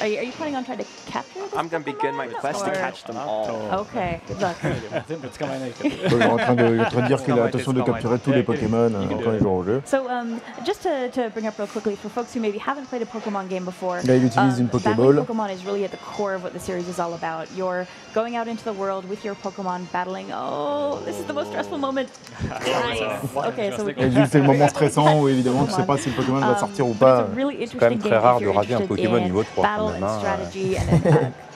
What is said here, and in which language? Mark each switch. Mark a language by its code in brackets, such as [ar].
[en] Are you planning on trying to capture this? I'm gonna begin my quest to catch them all. Okay, look. [fr] en train de dire qu'il a l'intention de capturer tous les Pokémon quand ils jouent au jeu. [en] So just to bring up real quickly for folks who maybe haven't played a Pokémon game before. [fr] Là, il utilise une Pokéball. [en] Pokémon is really at the core of what the series is all about. You're going out into the world with your Pokémon, battling. Oh, this is the most stressful moment. Okay, so [fr] c'est le moment stressant où évidemment tu sais pas si le Pokémon va sortir ou pas. C'est quand même très rare. Il ravit un Pokémon niveau 3 quand même, hein,